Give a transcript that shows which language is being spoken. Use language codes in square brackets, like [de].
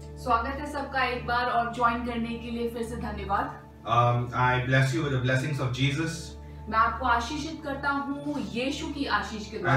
[hi] स्वागत है सबका एक बार और join करने के लिए फिर से धन्यवाद. [en] I bless you with the blessings of Jesus. [hi] मैं आपको आशीषित करता हूँ यीशु की आशीष के द्वारा.